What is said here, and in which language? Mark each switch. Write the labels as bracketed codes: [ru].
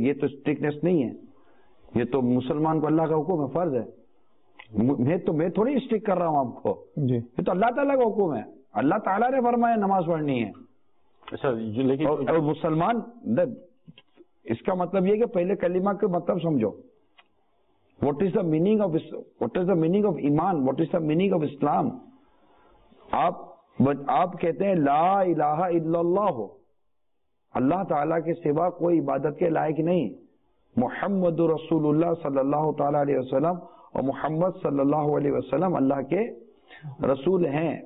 [ur] یہ تو اسٹرکٹنیس نہیں ہے, یہ تو مسلمان کو اللہ کا حکم ہے, فرض ہے. میں تھوڑی اسٹرک کر رہا ہوں آپ کو, یہ تو اللہ تعالیٰ کا حکم ہے. اللہ تعالیٰ نے فرمایا نماز پڑھنی ہے. لیکن مسلمان, اس کا مطلب یہ کہ پہلے کلمہ کا مطلب سمجھو. [en] What is the meaning of iman? What is the meaning of Islam? [ur] آپ کہتے ہیں لا الہ الا اللہ ہو, اللہ تعالیٰ کے سوا کوئی عبادت کے لائق نہیں. محمد رسول اللہ صلی اللہ تعالیٰ علیہ وسلم اور محمد صلی اللہ علیہ وسلم اللہ کے رسول ہیں.